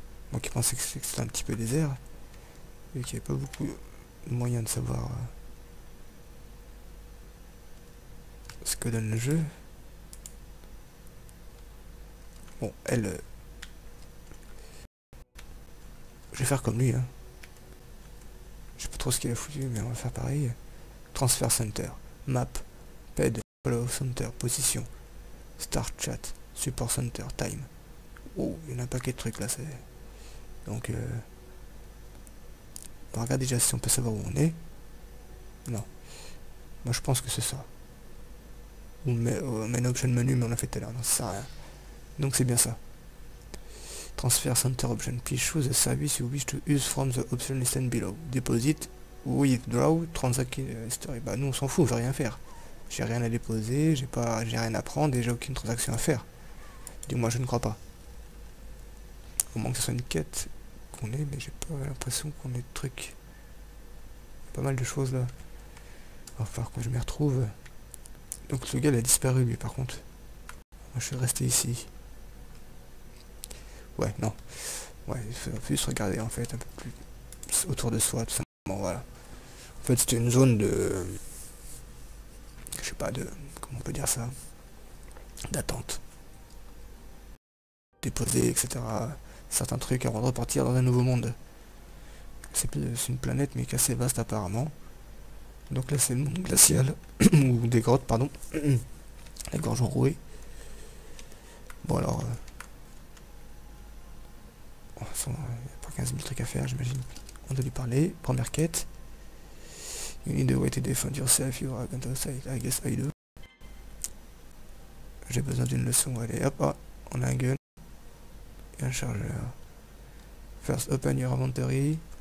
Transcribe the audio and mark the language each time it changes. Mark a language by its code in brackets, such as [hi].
[fr] Moi qui pensais que c'était un petit peu désert. Vu qu'il n'y avait pas beaucoup de moyens de savoir ce que donne le jeu. Bon, elle. Je vais faire comme lui. Hein. Je sais pas trop ce qu'il a foutu, mais on va faire pareil. [en] Transfer center. Map. Ped. Follow center, position, start chat, support center, time. [fr] Oh, il y en a un paquet de trucs là, c'est... Donc, on regarde déjà si on peut savoir où on est. Non. Moi, je pense que c'est ça. Ou main option menu, mais on l'a fait tout à l'heure, non, ça sert à rien. Donc, c'est bien ça. [en] Transfer center option, please choose a service you wish to use from the option listed below. Deposit, withdraw, transact history. [fr] Bah, nous, on s'en fout, on va rien faire. J'ai rien à déposer, j'ai rien à prendre et j'ai aucune transaction à faire. Du moins je ne crois pas. Au moins que ce soit une quête qu'on ait, mais j'ai pas l'impression qu'on ait de trucs. Pas mal de choses là. Va falloir que je m'y retrouve. Donc ce gars il a disparu lui par contre. Moi je suis resté ici. Ouais, non. Ouais, il faut plus regarder en fait un peu plus autour de soi, tout simplement. Voilà. En fait c'était une zone de. Je sais pas de... comment on peut dire ça... d'attente. Déposer, etc. Certains trucs avant de repartir dans un nouveau monde. C'est une planète mais assez vaste apparemment. Donc là c'est le monde glacial. Ou des grottes, pardon. La gorge enrouée. Bon alors... il n'y a pas 15 000 trucs à faire j'imagine. On doit lui parler. Première quête. [en] You need a way to defend yourself, you are going to say, I guess I do. [fr] J'ai besoin d'une leçon. Allez, hop, ah, on a un gun. Et un chargeur. [en] First, open your inventory.